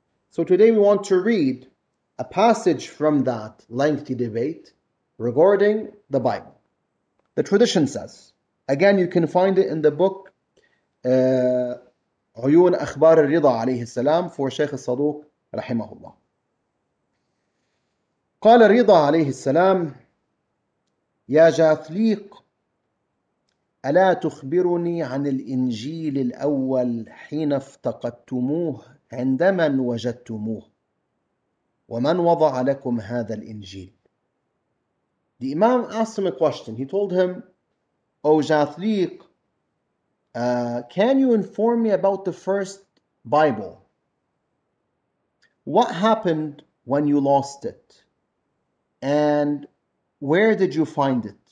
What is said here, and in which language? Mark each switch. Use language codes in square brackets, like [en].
[en] So today we want to read a passage from that lengthy debate regarding the Bible. The tradition says, again, you can find it in the book Uyun Akhbar al-Ridha alayhi salam for Shaykh al-Saduq rahimahullah. [ar] Qala Ridha alayhi salam, Ya Jathliq, ألا تخبرني عن الإنجيل الأول حين افتقدتموه عندما وجدتموه ومن وضع لكم هذا الإنجيل. [en] The Imam asked him a question. He told him, O Jathliq, can you inform me about the first Bible? What happened when you lost it? And where did you find it?